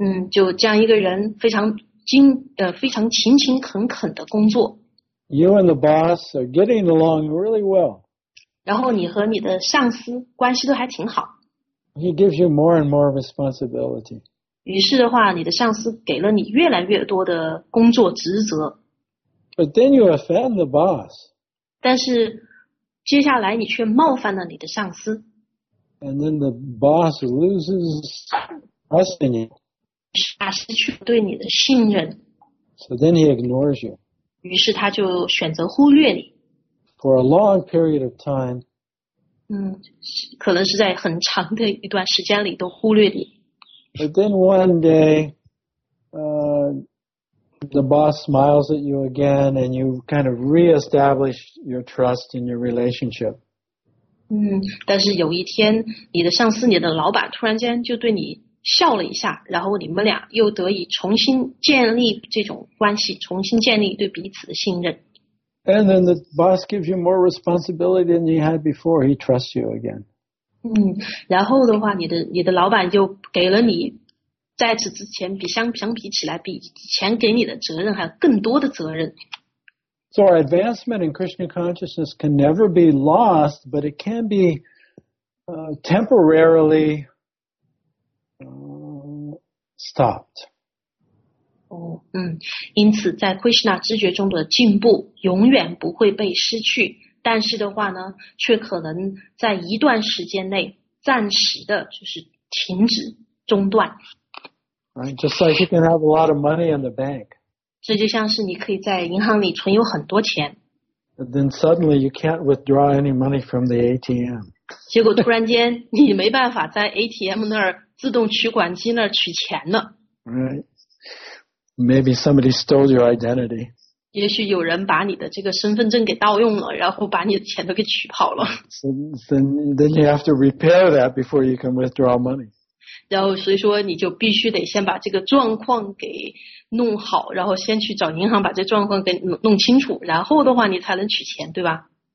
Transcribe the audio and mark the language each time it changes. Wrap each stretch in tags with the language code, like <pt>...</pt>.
<zh>就这样一个人非常勤勤恳恳的工作。</zh> <en>You and the boss are getting along really well.</en> <zh>然后你和你的上司关系都还挺好。</zh> <en>He gives you more and more responsibility.</en> <zh>于是的话，你的上司给了你越来越多的工作职责。</zh> <en>But then you offend the boss.</en> <zh>但是接下来你却冒犯了你的上司。</zh> <en>And then the boss loses trust in you.</en> <zh>他失去对你的信任。</zh> <en>So then he ignores you.</en> <zh>于是他就选择忽略你。</zh> <en>For a long period of time.</en> <zh>可能是在很长的一段时间里都忽略你。</zh> <en>But then one day, the boss smiles at you again and you kind of reestablish your trust in your relationship.</en> <zh>但是有一天你的上司你的老板突然间就对你笑了一下，然后你们俩又得以重新建立这种关系，重新建立对彼此的信任。</zh> <en>And then the boss gives you more responsibility than you had before. He trusts you again.</en> <zh>然后的话你的老板就给了你在此之前相比起来比以前给你的责任还有更多的责任。</zh> <en>So our advancement in Krishna consciousness can never be lost, but it can be, temporarily, stopped.</en> <zh>因此在 Krishna 知觉中的进步永远不会被失去。但是的话呢，却可能在一段时间内暂时的，就是停止、中断。</zh> <en>Right, just like you can have a lot of money in the bank.</en> <zh>这就像是你可以在银行里存有很多钱。</zh> <en>But then suddenly you can't withdraw any money from the ATM.</en> <zh>结果突然间你没办法在 ATM 那儿自动取款机那儿取钱了。</zh> <en>Right. Maybe somebody stole your identity.</en> <zh>也许有人把你的这个身份证给盗用了，然后把你的钱都给取跑了。</zh> <en>So, then you have to repair that before you can withdraw money.</en> <zh>然后所以说你就必须得先把这个状况给弄好，然后先去找银行把这状况给弄清楚，然后的话你才能取钱，对吧？</zh>